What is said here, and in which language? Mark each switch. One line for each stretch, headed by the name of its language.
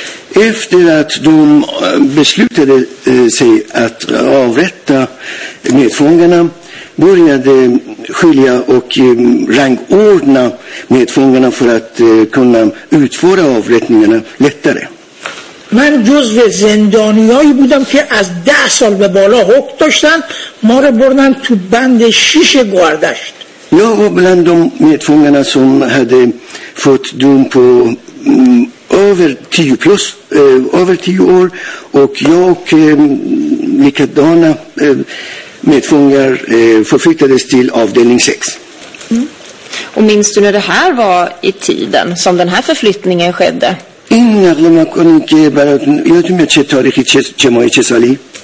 Swedish: Efter att de beslutade sig att avrätta medfångarna började skilja och rangordna medfångarna för att kunna utföra avrättningarna lättare.
Persian: من جزو زندانیایی بودم که از 10 سال به بالا حکم داشتن ما رو بردن تو بند 6 گوهردشت.
Swedish: Jag var bland de medfångarna som hade fått dom på över 10 plus över 10 år och jag och likadana medfångar förflyttades till avdelning 6. Mm. Och minns du när det här var i tiden som den här förflyttningen skedde?
Persian: این نقل مکانی که براتون یادتون میاد چه تاریخی چه ماهی چه سالی؟